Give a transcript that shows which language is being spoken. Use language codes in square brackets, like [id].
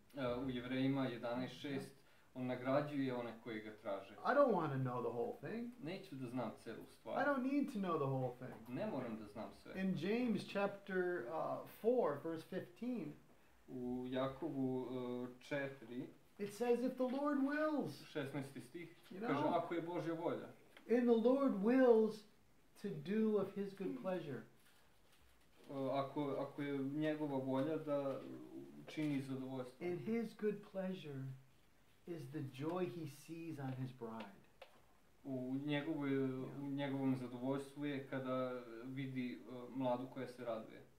[sr] U Jevrejima 11:6, on nagrađuje one koji ga traže. [en] I don't want to know the whole thing. [sr] Neću da znam celu stvar. [en] I don't need to know the whole thing. [sr] Ne moram da znam sve. [en] In James chapter 4, verse 15, [sr] u Jakovu 4, [en] it says if the Lord wills. 16. [sr] stih, kaže ako je Božja volja. [en] And the Lord wills to do of his good pleasure. [sr] Ako je njegova volja da čini zadovoljstvo. [en] And his good pleasure is the joy he sees on his bride. [sr] U njegovom zadovoljstvu je kada vidi mladu koja se raduje.